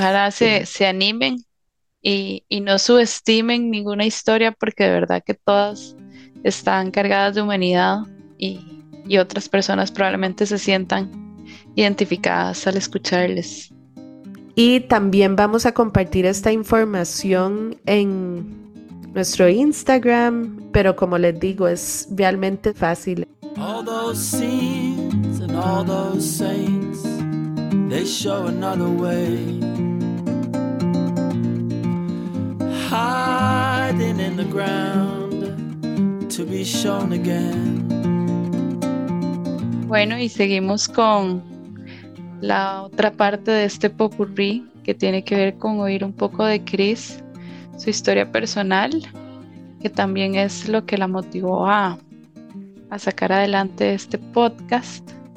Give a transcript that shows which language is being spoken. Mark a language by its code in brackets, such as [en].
[es] ojalá se animen y no subestimen ninguna historia, porque de verdad que todas están cargadas de humanidad y otras personas probablemente se sientan identificadas al escucharles. Y también vamos a compartir esta información en nuestro Instagram, pero como les digo, es realmente fácil. [en] All those scenes and all those saints, they show another way. Hiding in the ground to be shown again. [es] Bueno, y seguimos con la otra parte de este popurrí que tiene que ver con oír un poco de Chris, su historia personal, que también es lo que la motivó a sacar adelante este podcast.